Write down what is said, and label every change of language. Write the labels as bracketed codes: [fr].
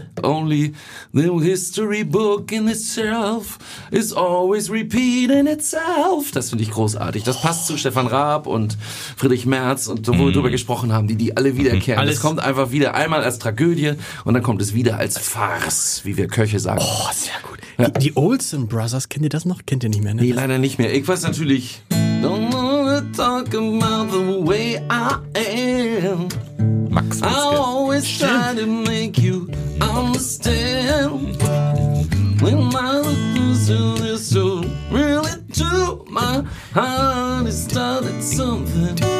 [en] only the history book in itself is always repeating itself. [de] Das finde ich großartig. Das passt zu Stefan Raab und Friedrich Merz und so, wo wir drüber gesprochen haben, die alle wiederkehren. Alles. Das kommt einfach wieder einmal als Tragödie und dann kommt es wieder als Farce, wie wir Köche sagen. Oh, sehr gut. Ja. Die Olsen Brothers, kennt ihr das noch? Kennt ihr nicht mehr, ne? Nee, leider nicht mehr. Ich weiß natürlich. [en] Don't wanna talk about the way I am. Max, I always try to make you understand. When my lips are so really to my heart, it started something.